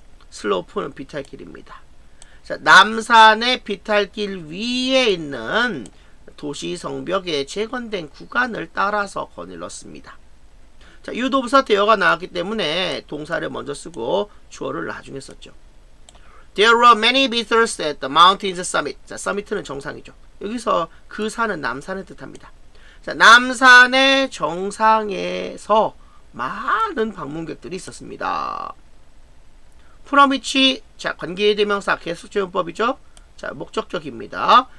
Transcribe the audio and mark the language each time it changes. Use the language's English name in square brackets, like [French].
[Korean] 슬로프는 비탈길입니다. 자, 남산의 비탈길 위에 있는 도시 성벽의 재건된 구간을 따라서 거닐렀습니다. 자, 유도부사 대어가 나왔기 때문에 동사를 먼저 쓰고 주어를 나중에 썼죠. [English] There were many visitors at the mountain's summit. [Korean] 자, summit는 정상이죠. 여기서 그 산은 남산을 뜻합니다. 자, 남산의 정상에서 많은 방문객들이 있었습니다. From which, 자, 관계대명사 계속지음법이죠. 자, 목적격입니다.